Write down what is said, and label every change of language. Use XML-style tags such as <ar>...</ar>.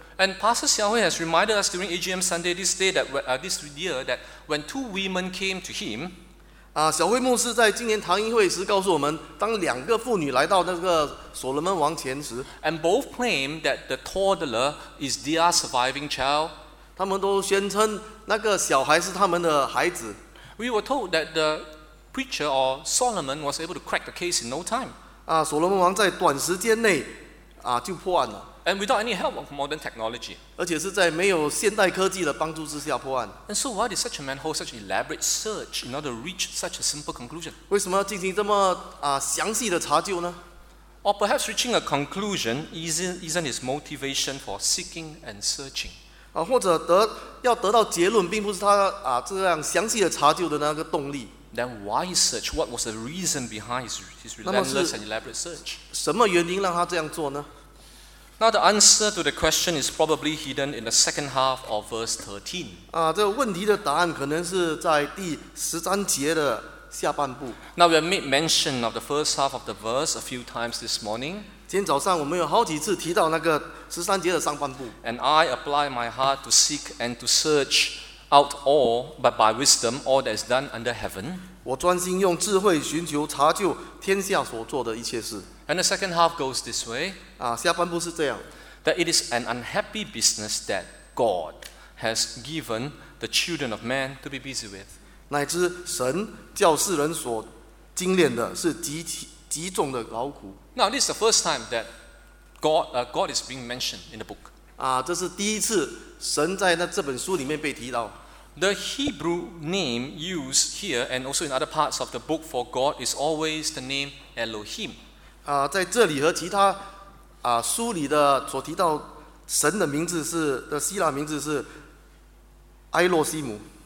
<en>And Pastor Xiaohui has reminded us during AGM Sunday this day that this year that when two women came to him.</en> <zh>啊，小慧牧师在今年堂议会时告诉我们，当两个妇女来到那个所罗门王前时</zh> <en>，and both claim that the toddler is their surviving child.</en> <zh>他们都宣称那个小孩是他们的孩子。</zh> <en>We were told that the preacher or Solomon was able to crack the case in no time.</en> <zh>啊，所罗门王在短时间内啊就破案了。</zh> <en>And without any help of modern technology.</en> <zh>而且是在没有现代科技的帮助之下破案。</zh> <en>And so why did such a man hold such elaborate search in order to reach such a simple conclusion?</en> <zh>为什么要进行这么详细的查究呢？</zh> <en>Or perhaps reaching a conclusion isn't his motivation for seeking and searching.</en> <zh>或者要得到结论并不是他这样详细的查究的那个动力。</zh> <en>Then why he searched? What was the reason behind his relentless and elaborate search?</en> <zh>什么原因让他这样做呢？</zh> <en>Now the answer to the question is probably hidden in the second half of verse 13.</en> <zh>啊，这个问题的答案可能是在第十三节的下半部。</zh> <en>Now we have made mention of the first half of the verse a few times this morning.</en> <zh>今天早上我们有好几次提到那个十三节的上半部。</zh> <en>And I apply my heart to seek and to search out all, but by wisdom, all that is done under heaven.</en> <zh>我专心用智慧寻求查究天下所做的一切事。</zh> <en>And the second half goes this way.</en> <zh>啊，下半部是这样。</zh> <en>That it is an unhappy business that God has given the children of man to be busy with.</en> <zh>乃至神叫世人所精炼的是极重的劳苦。</zh> <en>Now this is the first time that God is being mentioned in the book.</en> <zh>啊，这是第一次神在那这本书里面被提到。</zh> <en>The Hebrew name used here and also in other parts of the book for God is always the name Elohim.</en> <zh>在这里和其他书里的所提到神的名字是的希腊名字是埃洛西姆</zh>